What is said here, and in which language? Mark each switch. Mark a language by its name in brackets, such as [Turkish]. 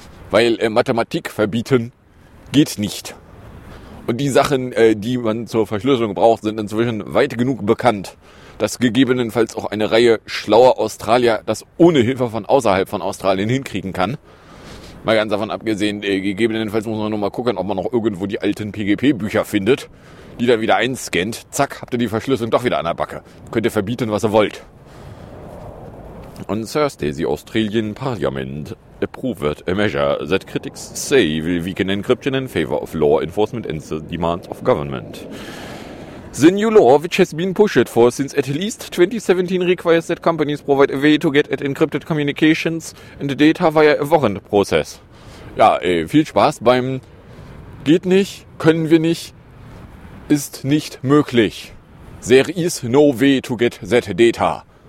[German] Weil Mathematik verbieten geht nicht. Und die Sachen, die man zur Verschlüsselung braucht, sind inzwischen weit genug bekannt, dass gegebenenfalls auch eine Reihe schlauer Australier das ohne Hilfe von außerhalb von Australien hinkriegen kann. Mal ganz davon abgesehen, gegebenenfalls muss man nur mal gucken, ob man noch irgendwo die alten PGP-Bücher findet, die dann wieder einscannt. Zack, habt ihr die Verschlüsselung doch wieder an der Backe. Könnt ihr verbieten, was ihr wollt. [English] On Thursday, the Australian Parliament approved a measure that critics say will weaken encryption in favor of law enforcement and the demands of government. The new law, which has been pushed for since at least 2017, requires that companies provide a way to get at encrypted communications and data via a warrant process. [German] Ja, viel Spaß beim geht nicht, können wir nicht, ist nicht möglich. [English] There is no way to get that data.